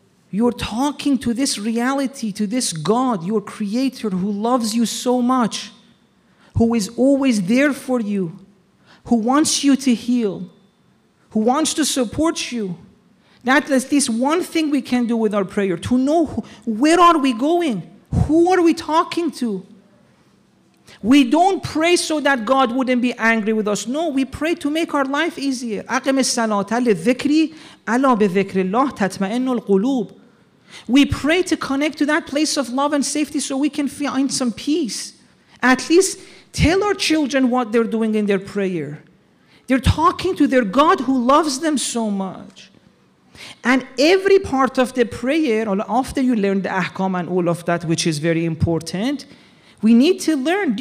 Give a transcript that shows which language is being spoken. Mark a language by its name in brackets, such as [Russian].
[English] You're talking to this reality, to this God, your creator, who loves you so much, who is always there for you, who wants you to heal, who wants to support you. That is this one thing we can do with our prayer, to know where are we going? Who are we talking to? We don't pray so that God wouldn't be angry with us. No, we pray to make our life easier. [Arabic] أقم الصلاة لذكري على بذكر الله تطمئن القلوب. [English] We pray to connect to that place of love and safety so we can find some peace. At least tell our children what they're doing in their prayer. They're talking to their God who loves them so much. And every part of the prayer, after you learn the ahkam and all of that, which is very important, we need to learn.